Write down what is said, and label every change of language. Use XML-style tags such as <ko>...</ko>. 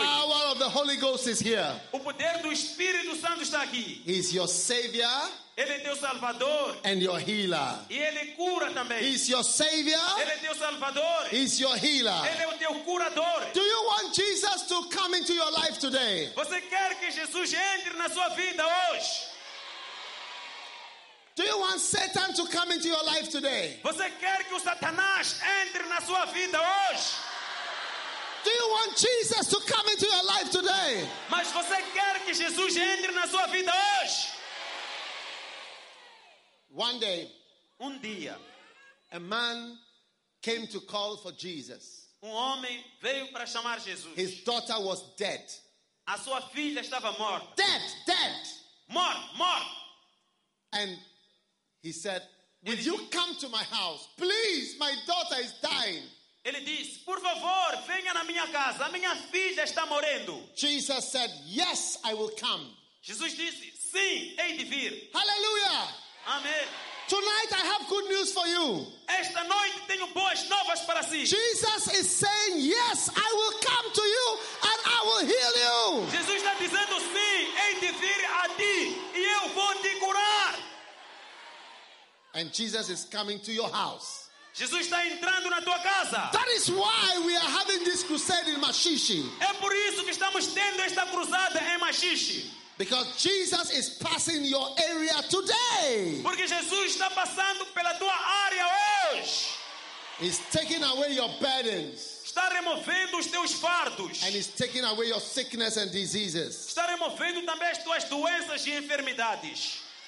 <en>The power of the Holy Ghost is here.</en> <pt>O poder do Espírito Santo está aqui.</pt> <en>He is your Savior.</en> <pt>Ele é teu Salvador.</pt> <en>And your healer.</en> <pt>E ele cura também.</pt> <en>He is your Savior.</en> <pt>Ele é teu Salvador.</pt> <en>He is your healer.</en> <pt>Ele é o teu curador.</pt> <en>Do you want Jesus to come into your life today?</en> <pt>Você quer que Jesus entre na sua vida hoje?</pt> <en>Do you want Satan to come into your life today?</en> <pt>Você quer que o Satanás entre na sua vida hoje?</pt> <en>Do you want Jesus to come into your life today?</en> <pt>Mas você quer que Jesus entre na sua vida hoje?</pt> <en>One day,</en> <pt>dia,</pt> <en>a man came to call for Jesus.</en> <pt>Homem veio para chamar Jesus.</pt> <en>His daughter was dead.</en> <pt>A sua filha estava morta.</pt> <en>Dead. Mort. And he said, "Would you come to my house, please? My daughter is dying."</en> <pt>Ele disse, "Por favor, venha na minha casa. A minha filha está morrendo."</pt> <en>Jesus said, "Yes, I will come."</en> <pt>Jesus disse, "Sim, hei de vir."</pt> <en>Hallelujah.</en> <pt>Amém.</pt> <en>Tonight I have good news for you.</en> <pt>Esta noite tenho boas novas para si.</pt> <en>Jesus is saying, "Yes, I will come to you and I will heal you."</en> <pt>Jesus está dizendo, "Sim, hei de vir a ti e eu vou te curar."</pt> <en>And Jesus is coming to your house.</en> <pt>Jesus está entrando na tua casa.</pt> <en>That is why we are having this crusade in Maxixe.</en> <pt>É por isso que estamos tendo esta cruzada em Maxixe.</pt> <en>Because Jesus is passing your area today.</en> <pt>Porque Jesus está passando pela tua área hoje.</pt> <en>He's taking away your burdens.</en> <pt>Está removendo os teus fardos.</pt> <en>And he's taking away your sickness and diseases.</en> <pt>Está removendo também as tuas doenças e enfermidades.</pt>